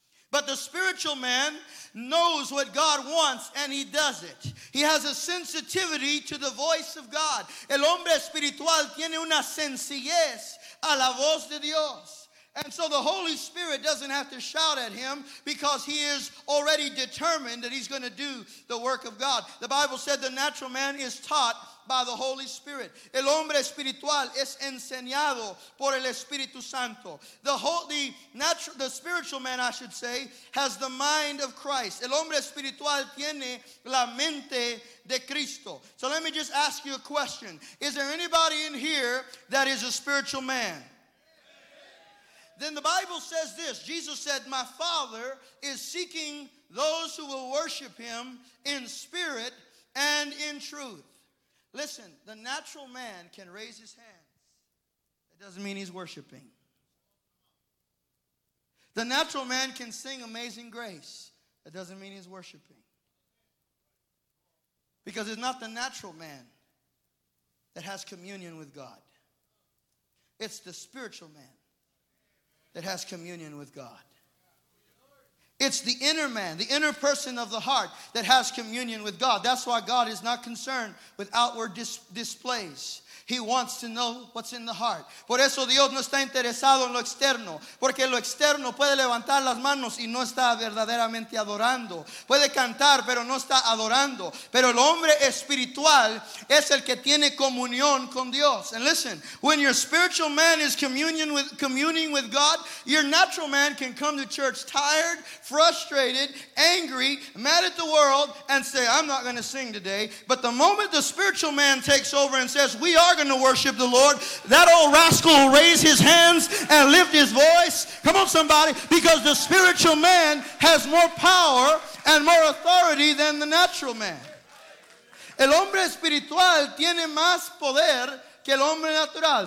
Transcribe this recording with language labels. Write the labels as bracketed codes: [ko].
[en] But the spiritual man knows what God wants and he does it. He has a sensitivity to the voice of God. [es] El hombre espiritual tiene una sencillez a la voz de Dios. [en] And so the Holy Spirit doesn't have to shout at him because he is already determined that he's going to do the work of God. The Bible said the natural man is taught by the Holy Spirit. [es] El hombre espiritual es enseñado por el Espíritu Santo. [en] The spiritual man, I should say, has the mind of Christ. [es] El hombre espiritual tiene la mente de Cristo. [en] So let me just ask you a question. Is there anybody in here that is a spiritual man? Then the Bible says this. Jesus said, my Father is seeking those who will worship him in spirit and in truth. Listen, the natural man can raise his hands. That doesn't mean he's worshiping. The natural man can sing Amazing Grace. That doesn't mean he's worshiping. Because it's not the natural man that has communion with God. It's the spiritual man that has communion with God. It's the inner man, the inner person of the heart that has communion with God. That's why God is not concerned with outward displays. He wants to know what's in the heart. [es] Por eso Dios no está interesado en lo externo. Porque lo externo puede levantar las manos y no está verdaderamente adorando. Puede cantar, pero no está adorando. Pero el hombre espiritual es el que tiene comunión con Dios. [en] And listen, when your spiritual man is communing with God, your natural man can come to church tired, frustrated, angry, mad at the world, and say, I'm not going to sing today. But the moment the spiritual man takes over and says, we are going to worship the Lord, that old rascal will raise his hands and lift his voice. Come on, somebody. Because the spiritual man has more power and more authority than the natural man. [es] El hombre espiritual tiene más poder que el hombre natural.